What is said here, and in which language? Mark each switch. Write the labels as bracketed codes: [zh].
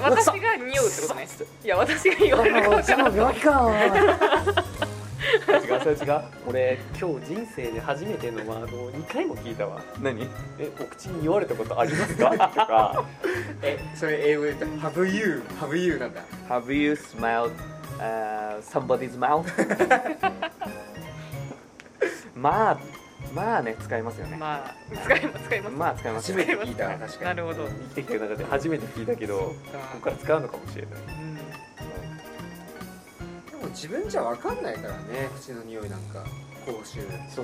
[ja] 私が匂うってことね。いや、私が言われるかも。私の病気か。違う、違う。俺、今日人生で初めてのワードを2回も聞いたわ。何？え、お口に言われたことありますか？とか。え、それ英語で言った [en] Have you? Have you? [ja] なんだ。 [en] Have you smelled somebody's mouth? [ja] まあ、まあね、使いますよね。まあ、使います。まあ、使います。初めて聞いた、確かに。なるほど。生きてきてる中で初めて聞いたけど、ここから使うのかもしれない。うん、でも、自分じゃ分かんないからね、口の匂いなんか、口臭。